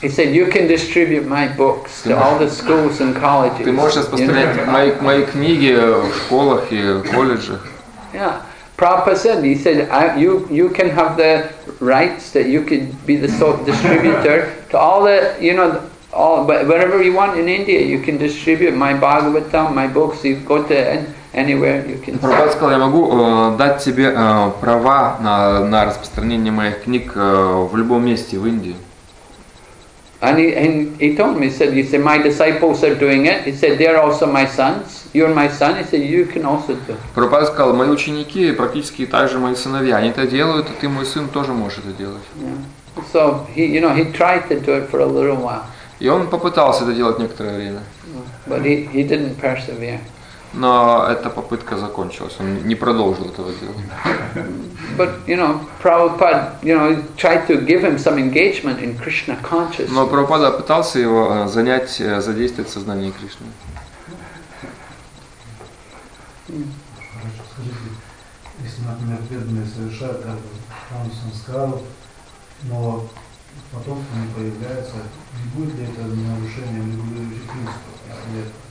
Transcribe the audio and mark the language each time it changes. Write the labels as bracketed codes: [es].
[en] He said, you can distribute my books to all the schools and colleges. [ru] Ты можешь распространять мои книги в школах и колледжах. [en] Yeah, Prabhupada said, he said, you can have the rights that you could be the sole distributor to all the, you know, all, but wherever you want in India, you can distribute my Bhagavatam, my books, you go to anywhere, you can. [ru] Prabhupada сказал, я могу дать тебе права на распространение моих книг в любом месте в Индии. [en] And he told me, he said, my disciples are doing it. He said, they are also my sons. You're my son. He said, you can also do it. [ru] Прабхупада сказал, мои ученики практически также мои сыновья. Они это делают, и ты мой сын тоже можешь это делать. [en] Yeah. So he, you know, he tried to do it for a little while. [ru] И он попытался это делать некоторое время. [en] But he didn't persevere. [ru] Но эта попытка закончилась. Он не продолжил этого дела. [en] But, you know, Prabhupada, you know, tried to give him some engagement in Krishna consciousness. [ru] Но Прабхупада пытался его занять, задействовать в сознании Кришны. Если мы преданные совершают там санскару, но потом они появляются, не будет ли это нарушением регулирующих принципов?